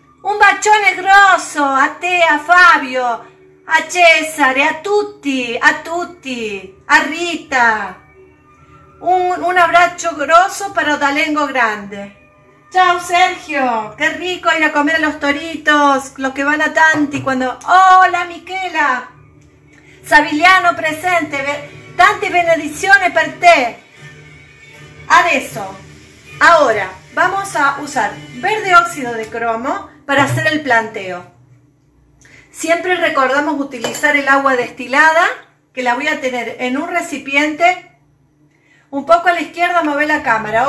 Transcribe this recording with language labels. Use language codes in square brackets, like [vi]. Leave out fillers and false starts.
[it] Un bacione grosso a te, a Fabio, a Cesare, a tutti, a Rita. [es] Un abrazo [it] grosso [es] para Odalengo Grande. ¡Chao, Sergio! ¡Qué rico ir a comer a los toritos! Los que van a Tanti cuando... ¡Hola, Michela! Sabiliano presente. [it] Tante benedizione per te. Adesso. [es] Ahora, vamos a usar verde óxido de cromo para hacer el planteo. Siempre recordamos utilizar el agua destilada, que la voy a tener en un recipiente... Un poco a la izquierda, mueve la cámara.